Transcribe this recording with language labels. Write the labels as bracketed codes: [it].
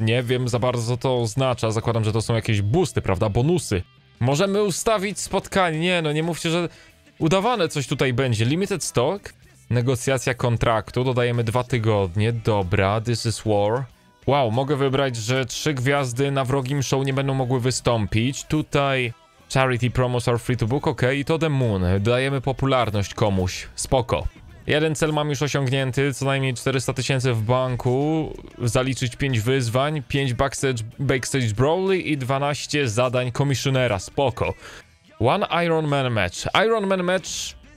[pl] Nie wiem za bardzo, co to oznacza. Zakładam, że to są jakieś boosty, prawda? Bonusy. Możemy ustawić spotkanie. Nie, no nie mówcie, że... Udawane coś tutaj będzie. [en] Limited stock. [pl] Negocjacja kontraktu. Dodajemy 2 tygodnie. Dobra, [en] this is war. [pl] Wow, mogę wybrać, że 3 gwiazdy na wrogim show nie będą mogły wystąpić. [en] Tutaj charity promos are free to book. Okej, to the moon. [pl] Dodajemy popularność komuś. Spoko. Jeden cel mam już osiągnięty. Co najmniej 400 tysięcy w banku. Zaliczyć 5 wyzwań. 5 backstage brawly i 12 zadań komisjonera. Spoko. One Iron Man match. Iron Man match